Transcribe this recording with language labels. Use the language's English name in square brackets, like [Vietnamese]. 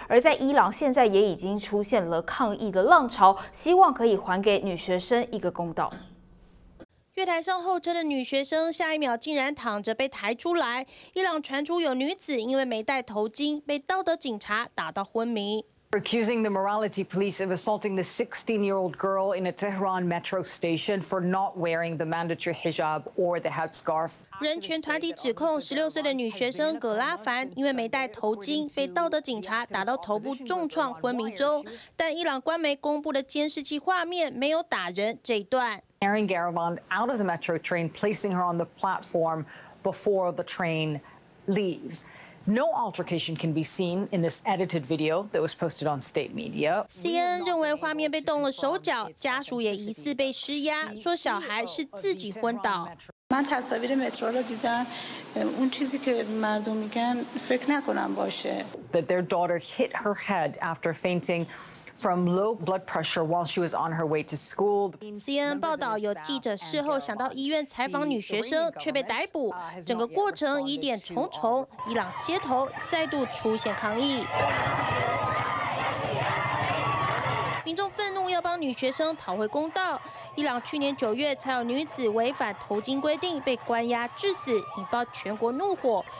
[Chinese] 而在伊朗现在也已经出现了抗议的浪潮，希望可以还给女学生一个公道。月台上候车的女学生，下一秒竟然躺着被抬出来。伊朗传出有女子因为没戴头巾，被道德警察打到昏迷。 [English] Accusing the morality police of assaulting the 16-year-old girl in a Tehran metro station for not wearing the mandatory hijab or the headscarf. [Chinese] 人权团体指控16岁的女学生葛拉凡因为没戴头巾，被道德警察打到头部重创昏迷中。但伊朗官媒公布的监视器画面没有打人这一段。 [English] Carrying Garavan out of the metro train, placing her on the platform before the train leaves. No altercation can be seen in this edited video that was posted on state media. [Chinese] CNN 认为画面被动了手脚，家属也疑似被施压，说小孩是自己昏倒。 [Persian] من تصاویر مترو را دیدم، اون چیزی که مردم میگن فکر نکنم باشه. [English] That their daughter hit her head after fainting. From low blood pressure while she was on her way to school. [Chinese] CNN 报道，有记者事后想到医院采访女学生，却被逮捕。整个过程疑点重重，伊朗街头再度出现抗议。民众愤怒，要帮女学生讨回公道。伊朗去年9月才有女子违反头巾规定被关押致死，引爆全国怒火。